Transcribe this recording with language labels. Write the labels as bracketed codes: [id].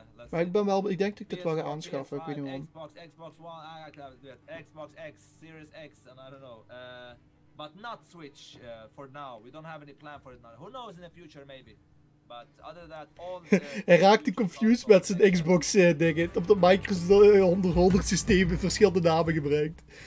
[nl] Maar ik ben wel, ik denk dat ik dit wel ga aanschaffen, ik weet niet waarom. [en] Xbox One, Xbox X, Series X, and I don't know. But not Switch for now. We don't have any plan for it now. Who knows in the future, maybe. But other than that, all the... [nl] Hij raakte confused met zijn Xbox dingen. Op de Microsoft 100 systemen verschillende namen gebruikt.